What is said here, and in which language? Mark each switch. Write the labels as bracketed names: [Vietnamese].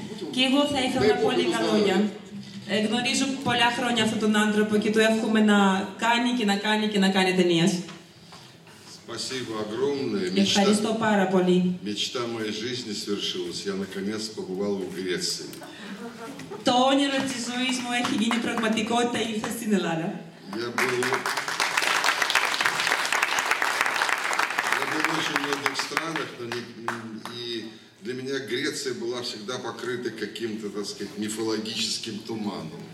[Greek] Και εγώ θα ήθελα πολύ καλόγια. Γνωρίζω πολλά χρόνια αυτόν τον άνθρωπο και του εύχομαι να κάνει και να κάνει και να κάνει ταινίες. [Russian] Спасибо огромное. [Greek] Ευχαριστώ πάρα πολύ. [Russian] Мечта моей жизни свершилась. Я наконец побывал в Греции. [Greek] Το όνειρο της ζωής μου έχει γίνει πραγματικότητα, ήρθα στην Ελλάδα. [Russian] Я был... Я был в очень многих странах, но не... и для меня Греция была всегда покрыта каким-то, так сказать, мифологическим туманом.